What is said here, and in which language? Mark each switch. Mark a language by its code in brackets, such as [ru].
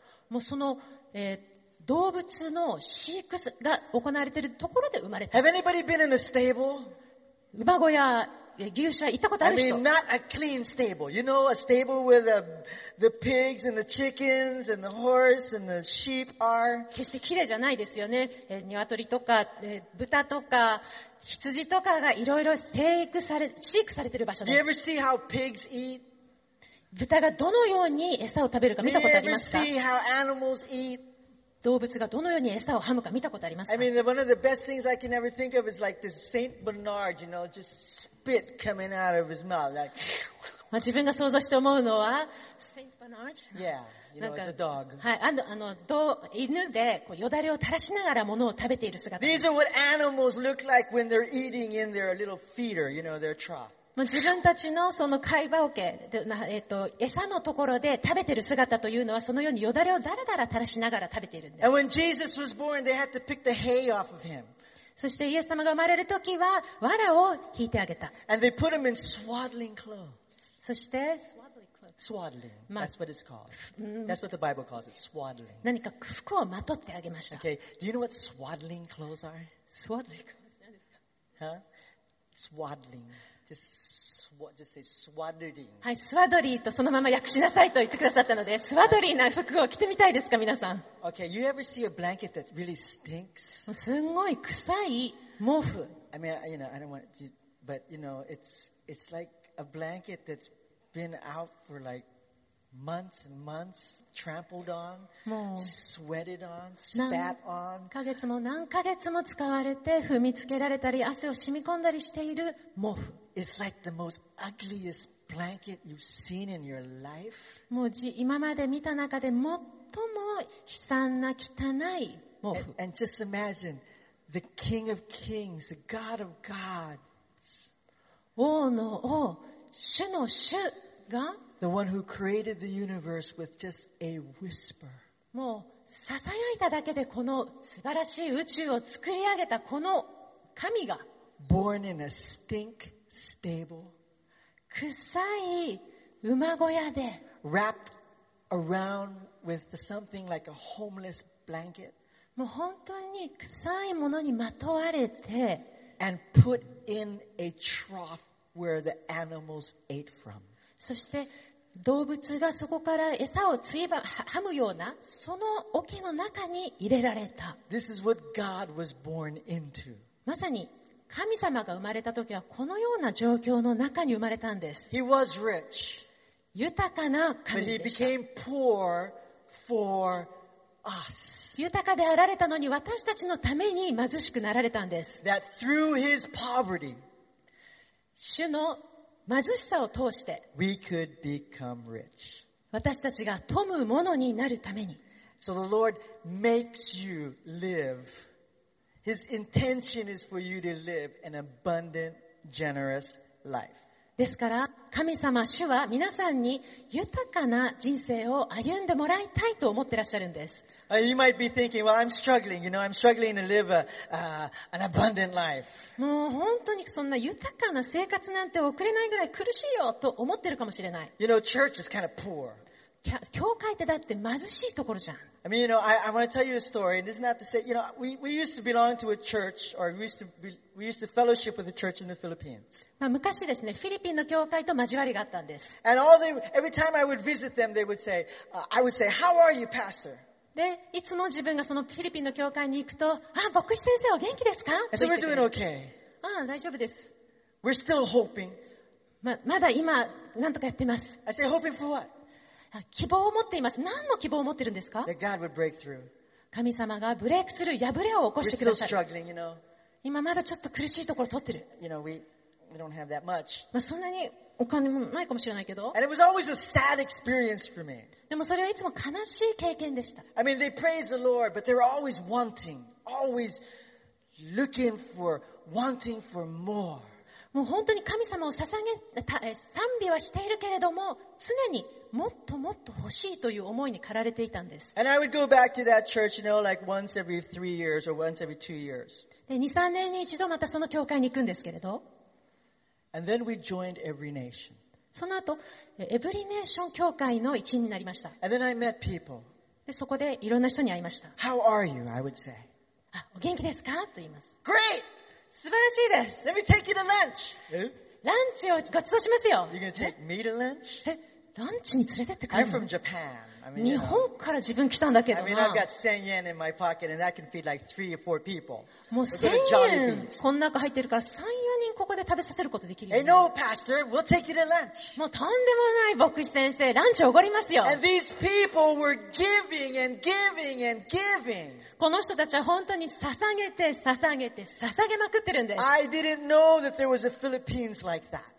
[ja] もうその、動物の飼育が行われているところで生まれた。 [en] Have anybody been in a stable? [ja] 馬小屋、牛舎行ったことある人。 [en] I mean, not a clean stable. You know, a stable where the pigs and the chickens and the horse and the sheep are. [ja] 決して綺麗じゃないですよね。鶏とか、豚とか羊とかがいろいろ飼育されている場所です。 [en] Do you ever see how pigs eat? [ja] 豚がどのように餌を食べるか見たことありますか? [en] Do you ever see how animals eat? [ja] 動物がどのように餌を噛むか見たことありますか? [en] I mean, one of the best things I can ever think of is like this Saint Bernard, you know, just spit coming out of his mouth, like. [ja] 自分が想像して思うのは、Saint Bernard? [en] Yeah, you know, it's a dog. [ja] はい、犬でこうよだれを垂らしながら物を食べている姿。 [en] These are what animals look like when they're eating in their little feeder, you know, their trough. [ja] もう自分たちのその貝歯桶、餌のところで食べている姿というのは、そのようによだれをだらだら垂らしながら食べているんです。 [en] And when Jesus was born, they had to pick the hay off of him. [ja] そしてイエス様が生まれるときは藁を引いてあげた。 [en] And they put him in swaddling clothes. [ja] そして [en] swaddling. That's what it's called. That's what the Bible calls it. Swaddling. [ja] 何か服をまとってあげました。 [en] Okay. Do you know what swaddling clothes are? Swaddling clothes. Huh? Swaddling. Just say swaddling. [ja] はい、スワドリーとそのまま訳しなさいと言ってくださったので、スワドリーな服を着てみたいですか、皆さん。 [en] Okay, you ever see a blanket that really stinks? [ja] すんごい臭い毛布。 [en] I mean, you know, I don't want to, but you know, it's like a blanket that's been out for like months and months, trampled on, sweated on, spat on. [ja] 何ヶ月も何ヶ月も使われて踏みつけられたり、汗を染み込んだりしている毛布。 [en] It's like the most ugliest blanket you've seen in your life. [ja] もう今まで見た中で最も悲惨な汚い毛布。 [en] And just imagine the King of Kings, the God of Gods. [ja] 王の王、主の主が。 [en] The one who created the universe with just a whisper. [ja] もうささやいただけでこの素晴らしい宇宙を作り上げたこの神が。 [en] Born in a stink. Stable, [ja] 臭い馬小屋で、 [en] wrapped around with something like a homeless blanket, [ja] もう本当に臭いものにまとわれて、 [en] and put in a trough where the animals ate from. [ja] そして動物がそこから餌をついばはむようなその桶の中に入れられた。 [en] This is what God was born into. [ja] まさに。神様が生まれた時はこのような状況の中に生まれたんです。 [en] He was rich. [ja] 豊かな神でした。 [en] But he became poor for us. [ja] 豊かであられたのに私たちのために貧しくなられたんです。 [en] That through his poverty, [ja] 主の貧しさを通して、 [en] we could become rich. [ja] 私たちが富むものになるために。 [en] So the Lord makes you live. His intention is for you to live an abundant, generous life. [ja] ですから、神様、主は皆さんに豊かな人生を歩んでもらいたいと思ってらっしゃるんです。 [en] You might be thinking, well, I'm struggling. You know, I'm struggling to live an abundant life. [ja] もう本当にそんな豊かな生活なんて送れないぐらい苦しいよと思ってるかもしれない。 [en] You know, church is kind of poor. [ja] 教会ってだって貧しいところじゃん。 [en] I mean, you know, I want to tell you a story. And this is not to say, you know, we used to belong to a church, or we used to fellowship with a church in the Philippines. [ja] まあ昔ですね、フィリピンの教会と交わりがあったんです。 [en] And all the every time I would visit them, they would say, I would say, "How are you, Pastor?" [ja] で、いつも自分がそのフィリピンの教会に行くと、あ、牧師先生お元気ですか？ [en] So we're doing okay. [ja] あ、大丈夫です。 [en] We're still hoping. [ja] まだ今、なんとかやってます。 [en] I say hoping for what? [ja] 希望を持っています。何の希望を持ってるんですか？ [en] That God would break through. [ja] 神様がブレイクスルー、破れを起こしてください。 [en] We're still struggling, you know. [ja] 今まだちょっと苦しいところを取ってる。 [en] You know, we don't have that much. [ja] まあそんなにお金もないかもしれないけど。 [en] And it was always a sad experience for me. [ja] でもそれはいつも悲しい経験でした。 [en] I mean, they praise the Lord, but they're always wanting, always looking for, wanting for more. [ja] もう本当に神様を捧げ、賛美はしているけれども、常にもっともっと欲しいという思いに駆られていたんです。 [en] And I would go back to that church, you know, like once every three years or once every two years. [ja] で、2、3年に一度またその教会に行くんですけれど。 [en] And then we joined every nation. [ja] その後、エブリネーション教会の一員になりました。 [en] And then I met people. [ja] で、そこでいろんな人に会いました。 [en] How are you? I would say. [ja] あ、お元気ですか？と言います。 [en] Great! [ja] 素晴らしいです。 [en] Let me take you to lunch. [ja] ランチをご馳走しますよ。 [en] You're gonna take me to lunch? [ja] え、ランチに連れてってくれるの？ [en] I'm from Japan. I mean, [ja] 日本から自分来たんだけどな。 [en] I mean, I've got 1000 yen in my pocket and that can feed like three or four people. [ja] もう1000円こん中入ってるから3、4人ここで食べさせることできるよ、ね。 [en] Hey, no, Pastor, we'll take you to lunch. [ja] もうとんでもない牧師先生、ランチおごりますよ。 [en] And these people were giving and giving and giving. [ja] この人たちは本当に捧げて、捧げて、捧げまくってるんです。 [en] I didn't know that there was a Philippines like that.